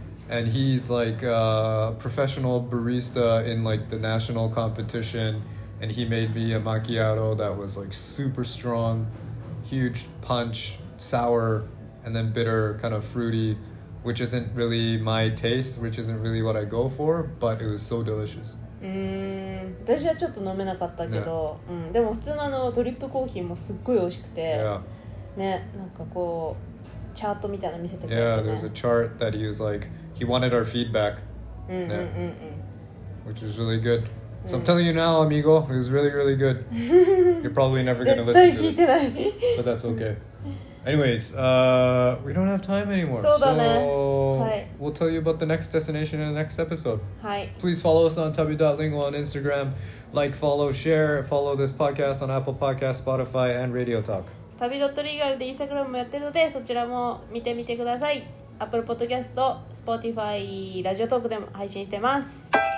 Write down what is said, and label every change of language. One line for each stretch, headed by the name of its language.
English: And he's like a professional barista in like the national competition. And he made me a macchiato that was like super strong, huge punch, sour, and then bitter, kind of fruity, which isn't really my taste, which isn't really what I go for, but it was so delicious.
Japanese: うん、私はちょっと飲めなかったけど、ね、うん、でも普通 の, あのドリップコーヒーもすっごい美味しくて、
English: yeah.
Japanese: ね、なんかこうチャートみたいな見せてくれ
English: て、ね、Yeah, there was a chart that he was like, he wanted our feedback.
Japanese: うんうんうんうん、ね、
English: Which is really good. So I'm telling you now, amigo, it was really, really good. You're probably never going to listen to this.
Japanese: 絶対聞いてない。
English: But that's okay. Anyways, we don't have time anymore.
Japanese: そうだね。
English: So, we'll tell you about the next destination in the next episode. Hi. Please follow us on tabi.lingua on Instagram. Like, follow, share, follow this podcast on Apple Podcasts, Spotify, and Radio Talk.
Japanese: tabi.legal で Instagram もやってるので、そちらも見てみてください。 Apple Podcast、Spotify、Radio Talk でも配信してます。